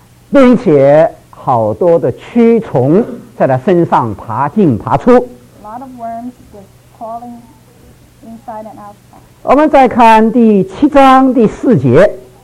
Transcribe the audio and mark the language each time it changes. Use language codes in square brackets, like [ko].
[zh] 并且好多的蛆虫在他身上爬进爬出。 [en] A lot of worms just crawling inside and outside. [zh] 我们再看第七章第四节。